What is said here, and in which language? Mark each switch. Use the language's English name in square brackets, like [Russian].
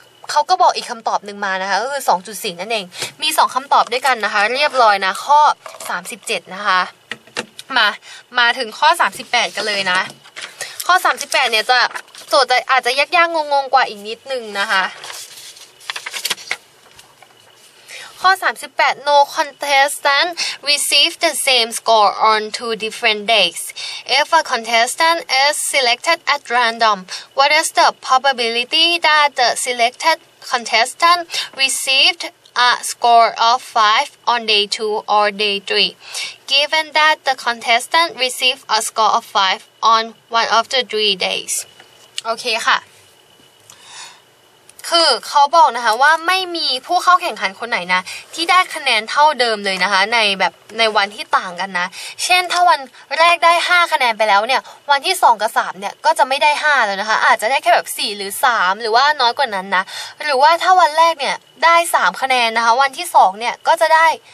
[Thai] เขาก็บอกอีกคำตอบหนึ่งมานะคะก็คือ 2.4 นั่นเองมี2คำตอบด้วยกันนะคะเรียบร้อยนะข้อ37นะคะมาถึงข้อ38กันเลยนะข้อ38เนี่ยจะโจทย์อาจจะยากๆงงๆกว่าอีกนิดนึงนะคะข้อ38 [English] No contestant received the same score on two different days. If a contestant is selected at random, what is the probability that the selected contestant received a score of 5 on day 2 or day 3? Given that the contestant received a score of 5 on one of the 3 days. [Thai] โอเคค่ะคือเขาบอกนะคะว่าไม่มีผู้เข้าแข่งขันคนไหนนะที่ได้คะแนนเท่าเดิมเลยนะคะในแบบในวันที่ต่างกันนะเช่นถ้าวันแรกได้5คะแนนไปแล้วเนี่ยวันที่2กับ3เนี่ยก็จะไม่ได้5แล้วนะคะอาจจะได้แค่แบบ4หรือ3หรือว่าน้อยกว่านั้นนะหรือว่าถ้าวันแรกเนี่ยได้3คะแนนนะคะวันที่2เนี่ยก็จะได้